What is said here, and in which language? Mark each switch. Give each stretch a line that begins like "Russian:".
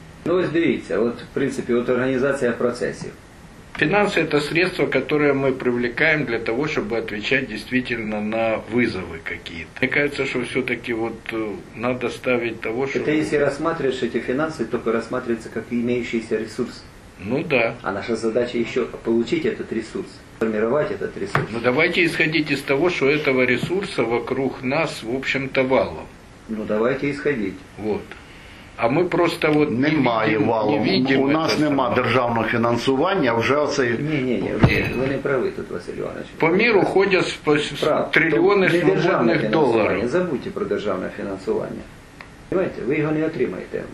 Ukrainian: Ну, ось дивіться, от, в принципі, от організація процесів.
Russian: Финансы – это средство, которое мы привлекаем для того, чтобы отвечать действительно на вызовы какие-то. Мне кажется, что все-таки вот надо ставить того, что… Это если рассматриваешь эти финансы, только рассматриваются как имеющийся ресурс. Ну да. А наша задача еще получить этот ресурс, формировать этот ресурс. Ну давайте исходить из того, что этого ресурса вокруг нас, в общем-то, валом. Ну давайте исходить. Вот. А мы просто вот
Ukrainian: немає валу. У нас нема державного фінансування, вже оце. Ні, ви не праві тут, Василь Іванович. По міру ходять трильйони свободних доларів. Забудьте про державне фінансування.
Russian: Понимаете,
Ukrainian: ви його не отримаєте.